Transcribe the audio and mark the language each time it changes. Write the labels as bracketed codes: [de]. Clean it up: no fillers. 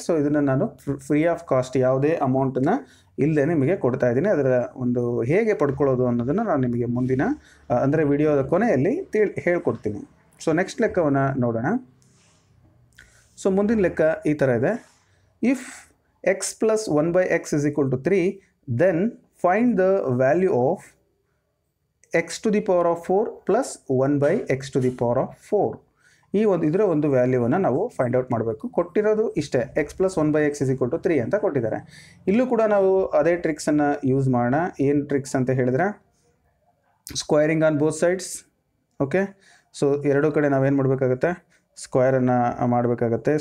[kn] So ಇದನ್ನು ನಾನು free of cost, ಯಾವುದೇ ಅಮೌಂಟನ್ನು ಇಲ್ಲದೆ ನಿಮಗೆ ಕೊಡ್ತಾ ಇದ್ದೀನಿ. ಅದರ ಒಂದು ಹೇಗೆ ಪಡ್ಕೊಳ್ಳೋದು ಅನ್ನೋದನ್ನು ನಾನು ನಿಮಗೆ ಮುಂದಿನ ಅಂದರೆ ವಿಡಿಯೋದ ಕೊನೆಯಲ್ಲಿ ಹೇಳ್ಕೊಡ್ತೀನಿ. ಸೊ ನೆಕ್ಸ್ಟ್ ಲೆಕ್ಕವನ್ನು ನೋಡೋಣ. ಸೊ ಮುಂದಿನ ಲೆಕ್ಕ ಈ ಥರ ಇದೆ. If [en] x plus 1 by x is equal to 3, then find the value of x to the power of 4 plus 1 by x to the power of 4. [kn] ಈ ಒಂದು ಇದರ ಒಂದು ವ್ಯಾಲ್ಯೂವನ್ನು ನಾವು ಫೈಂಡ್ ಔಟ್ ಮಾಡಬೇಕು. ಕೊಟ್ಟಿರೋದು ಇಷ್ಟೇ, [en] x plus one by x is equal to three [kn] ಅಂತ ಕೊಟ್ಟಿದ್ದಾರೆ. ಇಲ್ಲೂ ಕೂಡ ನಾವು ಅದೇ ಟ್ರಿಕ್ಸನ್ನು ಯೂಸ್ ಮಾಡೋಣ. ಏನು ಟ್ರಿಕ್ಸ್ ಅಂತ ಹೇಳಿದ್ರೆ, [en] Squaring on both sides. [kn] Okay, so ಎರಡೂ ಕಡೆ ನಾವೇನು ಮಾಡಬೇಕಾಗತ್ತೆ, ಸ್ಕ್ವೇರನ್ನು ಮಾಡಬೇಕಾಗತ್ತೆ.